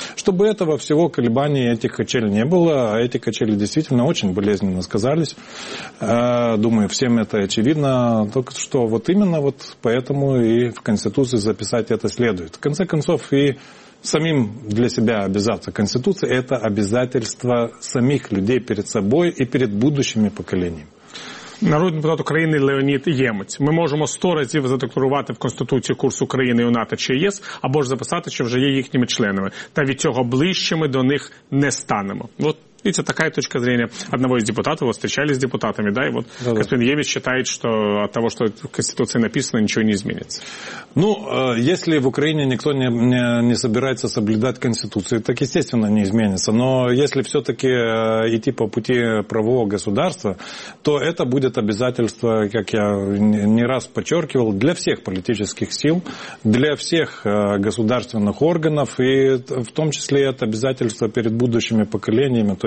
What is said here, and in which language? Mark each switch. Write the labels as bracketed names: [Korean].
[Russian] Чтобы этого всего колебаний этих качелей не было, а эти качели действительно очень болезненно сказались, думаю, всем это очевидно, только что вот именно вот поэтому и в Конституции записать это следует. В конце концов, и самим для себя обязаться. Конституция – это обязательство самих людей перед собой и перед будущими поколениями. [Ukrainian] Народний депутат України Леонід Ємець. Ми можемо 100 разів задекларувати в Конституції курс України у НАТО чи ЄС, або ж записати, що вже є їхніми членами. Та від цього ближчими до них не станемо. От. [Russian] И это такая точка зрения одного из депутатов. Вот встречались с депутатами, да, и вот да-да. Господин Ємець считает, что от того, что в Конституции написано, ничего не изменится. Ну, если в Украине никто не собирается соблюдать Конституцию, так, естественно, не изменится. Но если все-таки идти по пути правового государства, то это будет обязательство, как я не раз подчеркивал, для всех политических сил, для всех государственных органов, и в том числе это обязательство перед будущими поколениями, то